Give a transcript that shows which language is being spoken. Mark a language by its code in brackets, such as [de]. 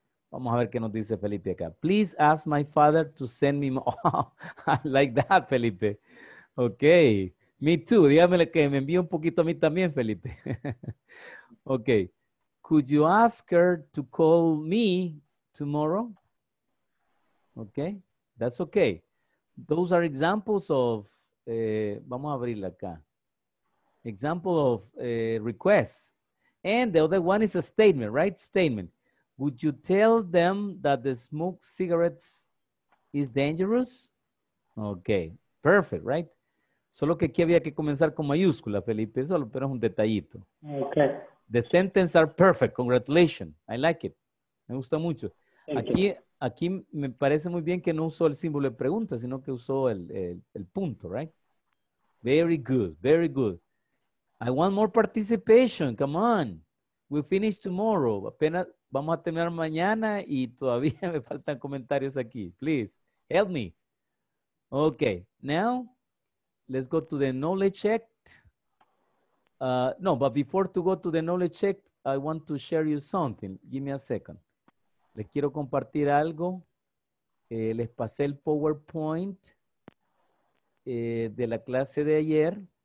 [es] Vamos a ver qué nos dice Felipe acá. [en] Please ask my father to send me more. Oh, I like that, Felipe. Okay. Me too. [es] Dígamele que me envíe un poquito a mí también, Felipe. [en] Okay. Could you ask her to call me tomorrow? Okay. That's okay. Those are examples of, [es] vamos a abrirla acá. [en] Example of requests. And the other one is a statement, right? Statement. Would you tell them that the smoke cigarettes is dangerous? Okay. Perfect, right? [es] Solo que aquí había que comenzar con mayúscula, Felipe. Solo, pero es un detallito. [en] Okay. The sentence are perfect. Congratulations. I like it. [es] Me gusta mucho. Aquí me parece muy bien que no usó el símbolo de pregunta, sino que usó el punto, right? [en] Very good. Very good. I want more participation. Come on. We finish tomorrow. [es] Apenas vamos a terminar mañana y todavía me faltan comentarios aquí. [en] Please, help me. Okay. Now, let's go to the knowledge check. No, but before to go to the knowledge check, I want to share you something. Give me a second. [es] Les quiero compartir algo. Les pasé el PowerPoint de la clase de ayer.